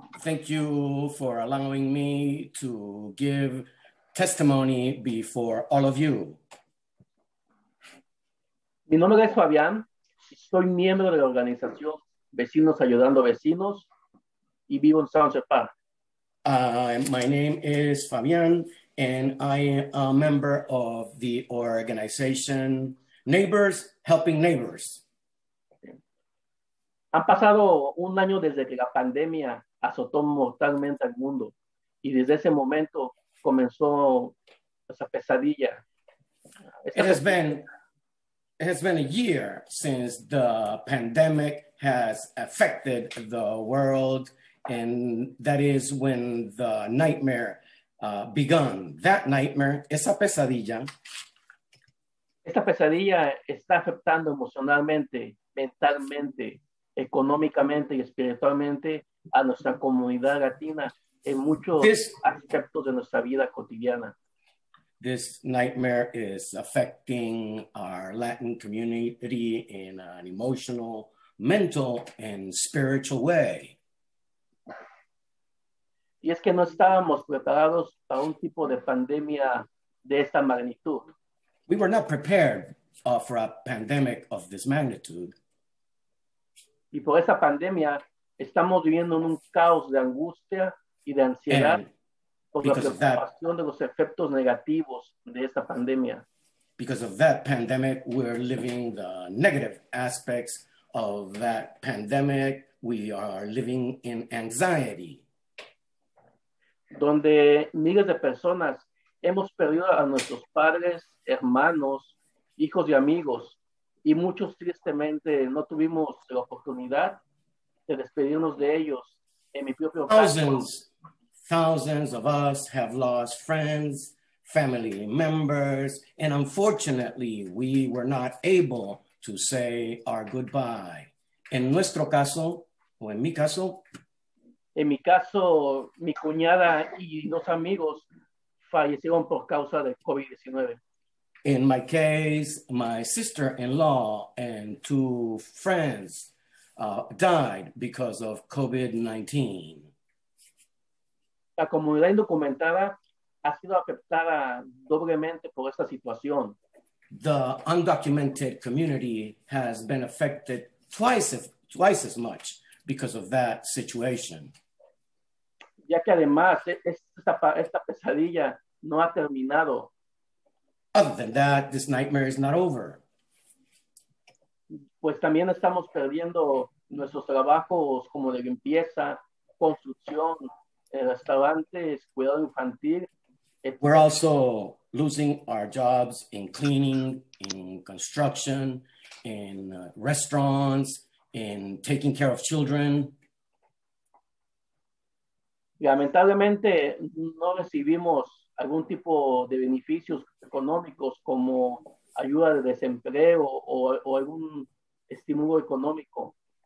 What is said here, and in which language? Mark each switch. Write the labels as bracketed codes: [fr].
[en] Thank you for allowing me to give testimony before all of you. [es] Mi nombre es Fabián. Soy miembro de la organización Vecinos Ayudando Vecinos y vivo en San Sebastián. [en] My name is Fabián. And I am a member of the organization Neighbors Helping Neighbors. [es] Han pasado un año desde que la pandemia azotó mortalmente al mundo, y desde ese momento comenzó esa pesadilla. [en] It has been a year since the pandemic has affected the world, and that is when the nightmare begun. That nightmare, [es] esa pesadilla. Esta pesadilla está afectando emocionalmente, mentalmente, económicamente y espiritualmente a nuestra comunidad latina en muchos aspectos de nuestra vida cotidiana. [en] This nightmare is affecting our Latin community in an emotional, mental, and spiritual way. [es] Y es que no estábamos preparados para un tipo de pandemia de esta magnitud. [en] We were not prepared for a pandemic of this magnitude. [es] Y por esa pandemia estamos viviendo en un caos de angustia y de ansiedad and por la preocupación de los efectos negativos de esta pandemia. [en] Because of that pandemic, we're living the negative aspects of that pandemic. We are living in anxiety. [es] Donde miles de personas hemos perdido a nuestros padres, hermanos, hijos y amigos, y muchos tristemente no tuvimos la oportunidad de despedirnos de ellos en mi propio caso. [en] Thousands of us have lost friends, family members, and unfortunately we were not able to say our goodbye. [es] En nuestro caso, o en mi caso, en mi caso, mi cuñada y dos amigos fallecieron por causa de COVID-19. [en] In my case, my sister-in-law and two friends died because of COVID-19. [es] La comunidad indocumentada ha sido afectada doblemente por esta situación. [en] The undocumented community has been affected twice as much because of that situation. [es] Ya que además esta pesadilla no ha terminado. [en] Other than that, this nightmare is not over. [es] pues también estamos perdiendo nuestros trabajos como de limpieza, construcción, restaurantes, cuidado infantil. [en] We're also losing our jobs in cleaning, in construction, in restaurants, in taking care of children. [es] Lamentablemente no recibimos algún tipo de beneficios económicos como ayuda de desempleo o algún estímulo económico.